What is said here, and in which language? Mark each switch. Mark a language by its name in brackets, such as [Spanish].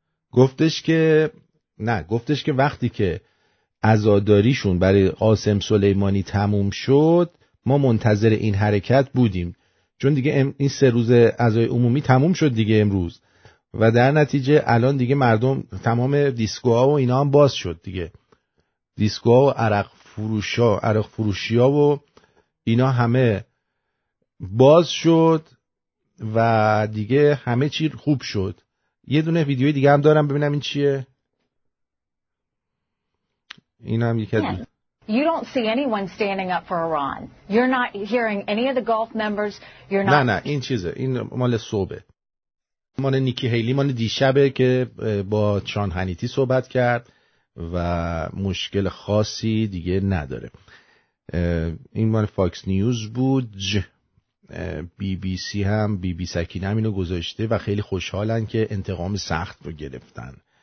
[Persian] گفتش که وقتی که عزاداریشون برای قاسم سلیمانی تموم شد، ما منتظر این حرکت بودیم، چون دیگه این 3 روز عزای عمومی تموم شد دیگه امروز، و در نتیجه الان دیگه مردم تمام دیسکوها و اینا هم باز شد دیگه، دیسکو و عرق فروشی ها و اینا همه باز شد و دیگه همه چی خوب شد. یه دونه ویدیوی دیگه هم دارم ببینم این چیه. اینا هم یک دیگه. [English] You don't see anyone standing up for Iran. You're not hearing any of the Gulf members. You're not. [Persian] نه نه این چیزه، این مال صبح، مال نیکی هیلی، مال دیشبه که با چان هنیتی صحبت کرد و مشکل خاصی دیگه نداره. این مال فاکس نیوز بود. بی بی سی هم، بی بی سکین هم اینو گذاشته و خیلی خوشحالن که انتقام سخت رو گرفتن.